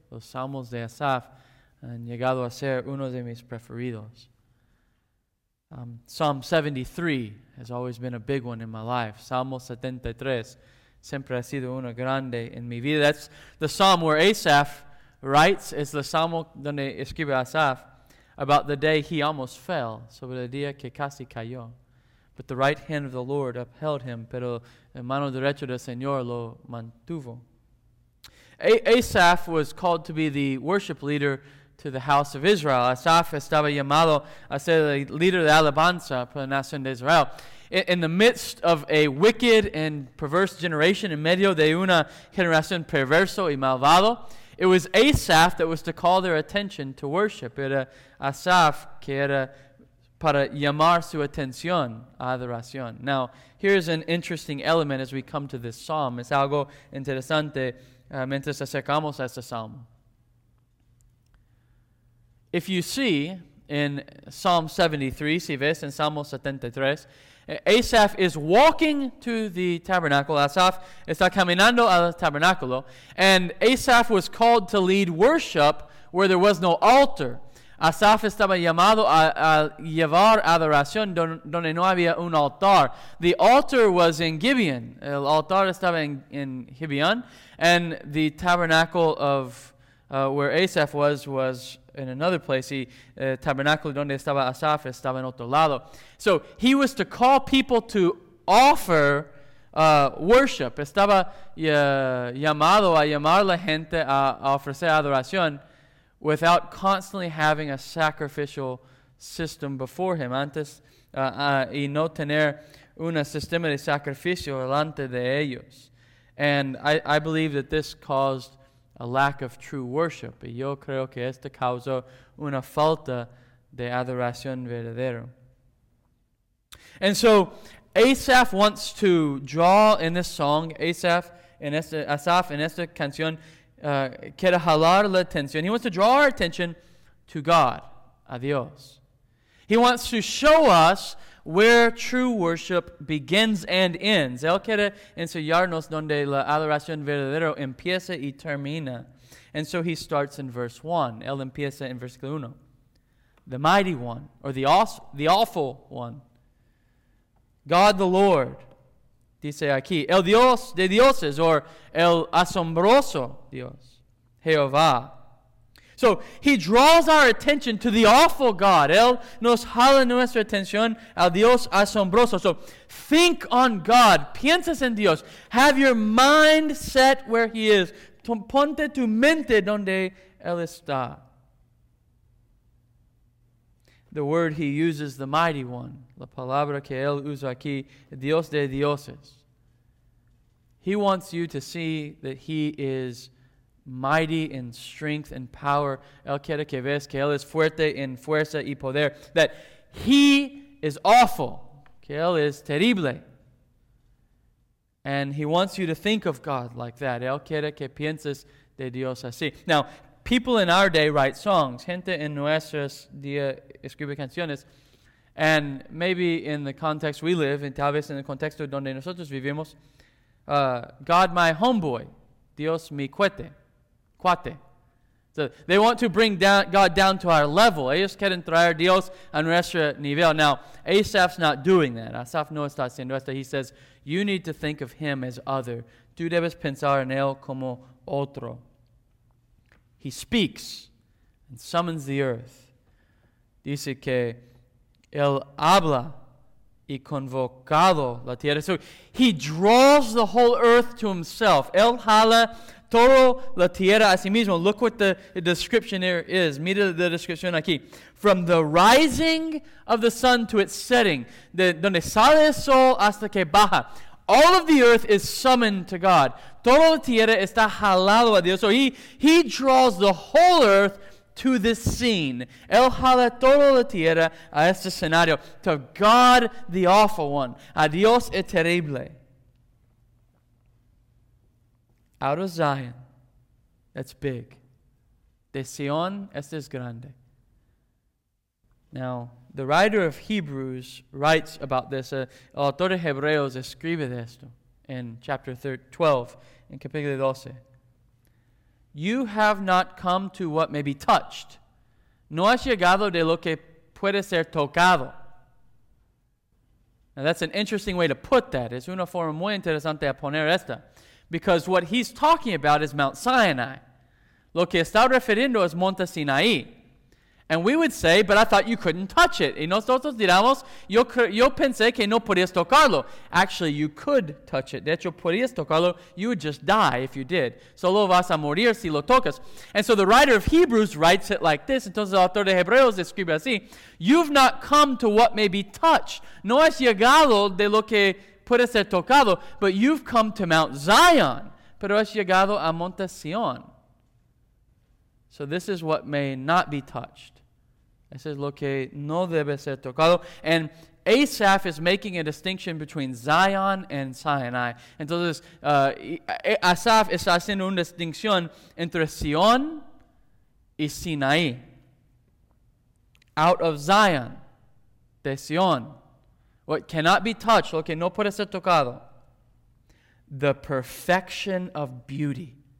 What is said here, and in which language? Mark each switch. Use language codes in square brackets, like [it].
[es] Los Salmos de Asaph han llegado a ser uno de mis preferidos. [en] Psalm 73 has always been a big one in my life. [es] Salmo 73 siempre ha sido uno grande en mi vida. [en] That's the psalm where Asaph writes, [es] es el salmo donde escribe Asaph, [en] about the day he almost fell, [es] sobre el día que casi cayó. [en] But the right hand of the Lord upheld him, [es] pero la mano derecha del Señor lo mantuvo. [en] Asaph was called to be the worship leader to the house of Israel. [es] Asaph estaba llamado a ser el líder de alabanza para la nación de Israel. [en] In the midst of a wicked and perverse generation, [es] en medio de una generación perverso y malvado, [en] it was Asaph that was to call their attention to worship. [es] Era Asaph que era para llamar su atención a adoración. [en] Now, here's an interesting element as we come to this psalm. [es] Es algo interesante mientras acercamos a este psalm. [en] If you see in Psalm 73, [es] si ves en Salmo 73, [en] Asaph is walking to the tabernacle. [es] Asaph está caminando al tabernáculo. [en] And Asaph was called to lead worship where there was no altar. [es] Asaph estaba llamado a llevar adoración donde no había un altar. [en] The altar was in Gibeon. [es] El altar estaba en Gibeon. [en] And the tabernacle of where Asaph was in another place. The tabernacle [es] donde estaba Asaph estaba en otro lado. [en] So he was to call people to offer worship. [es] Estaba llamado a llamar la gente a ofrecer adoración, [en] without constantly having a sacrificial system before him, [es] antes y no tener un sistema de sacrificio delante de ellos. [en] And I believe that this caused a lack of true worship. [es] Y yo creo que esto causó una falta de adoración verdadero. [en] And so Asaph wants to draw in this song, [es] Asaph en esta canción, quiere jalar la atención. [en] He wants to draw our attention to God, [es] a Dios. [en] He wants to show us where true worship begins and ends. [es] Él quiere enseñarnos donde la adoración verdadera empieza y termina. [en] And so he starts in verse 1. [es] Él empieza en versículo 1. [en] The mighty one, or the awful one. God the Lord. [es] Dice aquí, el Dios de Dioses, or el asombroso Dios, Jehová. [en] So, he draws our attention to the awful God. [es] Él nos jala nuestra atención al Dios asombroso. [en] So, think on God. [es] Piensas en Dios. [en] Have your mind set where he is. [es] Ponte tu mente donde él está. [en] The word he uses, the mighty one. [es] La palabra que él usa aquí, Dios de Dioses. [en] He wants you to see that he is mighty in strength and power. [es] Él quiere que ves que él es fuerte en fuerza y poder. [en] That he is awful. [es] Que él es terrible. [en] And he wants you to think of God like that. [es] Él quiere que pienses de Dios así. [en] Now, people in our day write songs. [es] Gente en nuestros días escribe canciones. [en] And maybe in the context we live, and [es] tal vez en el contexto donde nosotros vivimos, [en] God my homeboy, [es] Dios mi cuate. [en] So they want to bring God down to our level. [es] Ellos quieren traer Dios a nuestro nivel. [en] Now, Asaph's not doing that. [es] Asaph no está haciendo esto. [en] He says, you need to think of him as other. [es] Tú debes pensar en él como otro. [en] He speaks and summons the earth. [es] Dice que Él habla y convocado la tierra. [en] So he draws the whole earth to himself. [es] Él jala toda la tierra a sí mismo. [en] Look what the description here is. [es] Mira la descripción aquí. [en] From the rising of the sun to its setting, [es] de donde sale el sol hasta que baja, [en] all of the earth is summoned to God. [es] Toda la tierra está jalado a Dios. [en] So he draws the whole earth to this scene. [es] Él jala toda la tierra a este escenario. [en] To God, the awful one. [es] A Dios es terrible. [en] Out of Zion, that's big. [es] De Sion, este es grande. [en] Now, the writer of Hebrews writes about this. [es] El autor de Hebreos escribe de esto [en] in chapter 12, [es] in capítulo 12. [en] You have not come to what may be touched. [es] No has llegado de lo que puede ser tocado. [en] Now, that's an interesting way to put that. [es] Es una forma muy interesante de poner esta. [en] Because what he's talking about is Mount Sinai. [es] Lo que está refiriendo es Monte Sinai. [en] And we would say, but I thought you couldn't touch it. [es] Y nosotros diramos, yo pensé que no podías tocarlo. [en] Actually, you could touch it. [es] De hecho, podías tocarlo. [en] You would just die if you did. [es] Solo vas a morir si lo tocas. [en] And so the writer of Hebrews writes it like this. [es] Entonces, el autor de Hebreos escribe así. [en] You've not come to what may be touched. [es] No has llegado de lo que puede ser tocado. [en] But you've come to Mount Zion. [es] Pero has llegado a Monte Sion. [en] So this is what may not be touched. This is [es] lo que no debe ser tocado. [en] And Asaph is making a distinction between Zion and Sinai. [es] Entonces, Asaph está haciendo una distinción entre Sion y Sinai. [en] Out of Zion, [es] de Sion, [en] what cannot be touched, [es] lo que no puede ser tocado, [en] the perfection of beauty.